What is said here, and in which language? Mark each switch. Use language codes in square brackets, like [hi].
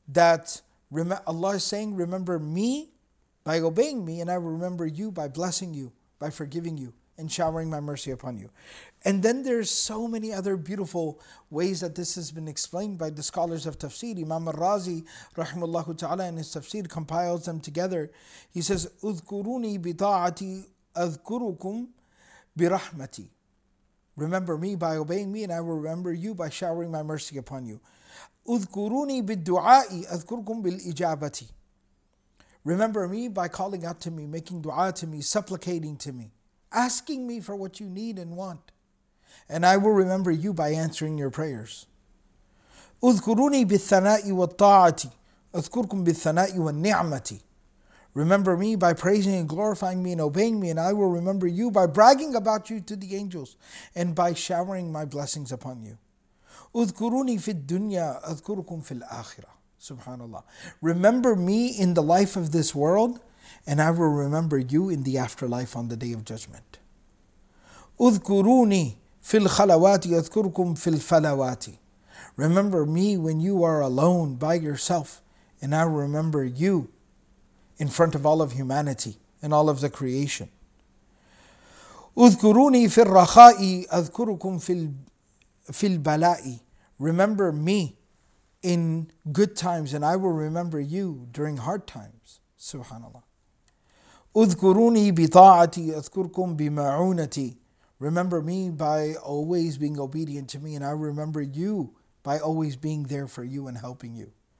[en] That Allah is saying, remember me by obeying me, and I will remember you by blessing you, by forgiving you, and showering my mercy upon you. And then there's so many other beautiful ways that this has been explained by the scholars of tafsir. Imam al-Razi, rahimahullahu ta'ala, in his tafsir, compiles them together. [ar] He says, اذكروني بطاعتي اذكركم برحمتي. [en] Remember me by obeying me, and I will remember you by showering my mercy upon you. [ar] اذكروني بالدعاء اذكركم بالإجابة. [en] Remember me by calling out to me, making dua to me, supplicating to me, asking me for what you need and want, and I will remember you by answering your prayers. [ar] اذكروني بالثناء والطاعة اذكركم بالثناء والنعمة. [en] Remember me by praising and glorifying me and obeying me, and I will remember you by bragging about you to the angels and by showering my blessings upon you. [ar] اذكروني في الدنيا اذكركم في الآخرة. Subhanallah. [en] Remember me in the life of this world, and I will remember you in the afterlife on the Day of Judgment. [ar] اذكروني في الخلوات يذكركم في الفلوات. [en] Remember me when you are alone by yourself, and I will remember you in front of all of humanity in all of the creation. [ar] اذكروني في الرخائي اذكركم في البلائي. [en] Remember me in good times and I will remember you during hard times. [ar] Subhanallah. اذكروني بطاعتي اذكركم بمعونتي. [en] Remember me by always being obedient to me and I remember you by always being there for you and helping you.